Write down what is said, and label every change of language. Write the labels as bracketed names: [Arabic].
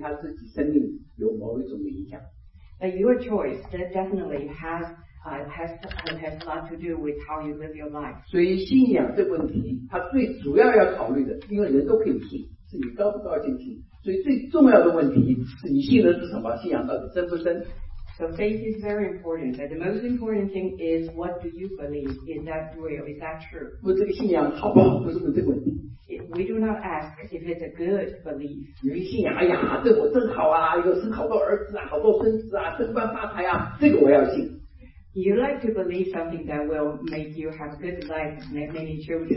[Chinese] 但是人的意义，人在他自己的选择中间，可以对他自己生命有某一种影响。 [English] But your choice that definitely has a lot to do with how you live your life. [Chinese] 所以信仰这问题，它最主要要考虑的，因为人都可以信。是你高不高兴？所以最重要的问题是你信的是什么？信仰到底真不真？ [English] So faith is very important. But the most important thing is what do you believe? Is that real? Is that true? [Chinese] 问这个信仰好不好？不是问这个问题。 [English] We do not ask if it's a good belief. [Chinese] 你信仰，哎呀，对我真好啊，有生好多儿子啊，好多孙子啊，升官发财啊，这个我要信。 [English] You like to believe something that will make you have good life, make many children,